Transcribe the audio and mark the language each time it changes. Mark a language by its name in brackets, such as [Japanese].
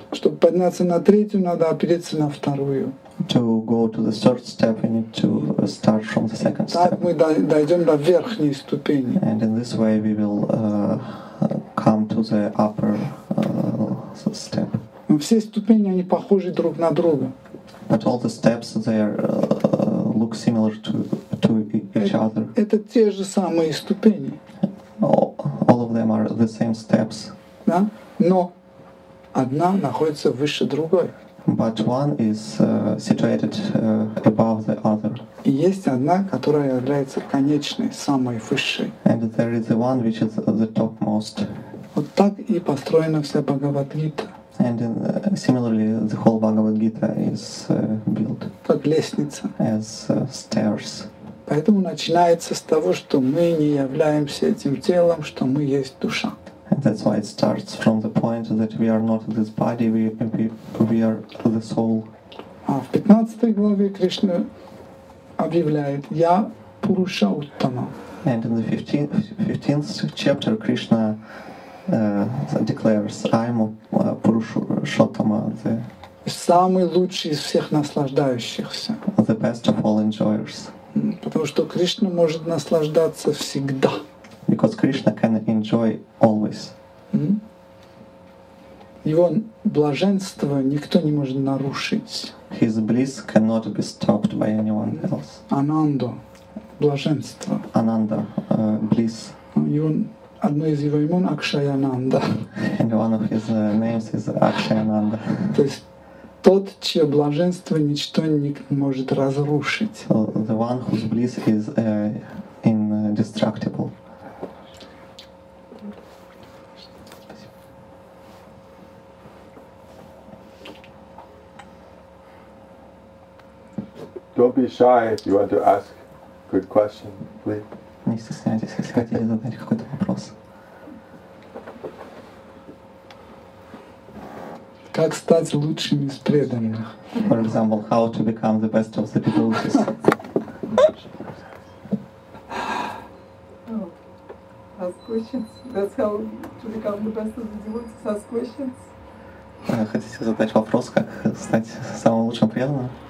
[Russian] Чтобы подняться на третью, надо опереться на вторую. [English] To go to the third step, we need to start from the second step. [Russian] Так мы дойдем до верхней ступени. [English] And in this way, we will come to the upper step. [Russian] Но все ступени они похожи друг на друга. [English] But all the steps they are look similar to each other. [Russian] Это те же самые ступени. [English] All of them are the same steps. [Russian] Да? Но одна находится выше другой. [English] But one is situated above the other. [Russian] И есть одна, которая является конечной, самой высшей. [English] And there is the one which is the topmost. [Russian] Вот так и построена вся Бхагавад-гита. [English] And similarly, the whole Bhagavad-gita is built [Russian] как лестница. [English] As stairs. [Russian] Поэтому начинается с того, что мы не являемся этим телом, что мы есть душа. [English] And that's why it starts from the point that we are not this body, we are the soul. [Russian] А в 15 главе Кришна объявляет: «Я Пуруша Уттама». [English] And in the 15th chapter, Krishna declares, I'm Purushottama, the [Russian] самый лучший из всех наслаждающихся. [English] The best of all enjoyers. [Russian] Потому что Кришна может наслаждаться всегда. [English] Because Krishna can enjoy always. Mm-hmm. [Russian] Его блаженство никто не может нарушить. [English] His bliss cannot be stopped by anyone else. [Russian] Ананда, блаженство. [English] Ананда, bliss. [Russian] Одно из его имен — Акшаянанда. [English] And one of his names is Akshayananda. [Russian] То есть тот, чье блаженство ничто не может разрушить. [English] So the one whose bliss is indestructible. Don't be shy if you want to ask a good question, please. [Russian] Не стесняйтесь, если хотите задать какой-то вопрос. Как стать лучшим из преданных? [English] For example, how to become the best of the devotees. Ask questions. That's how to become the best of the devotees. Ask questions. [Russian] Хотите задать вопрос, как стать самым лучшим преданным?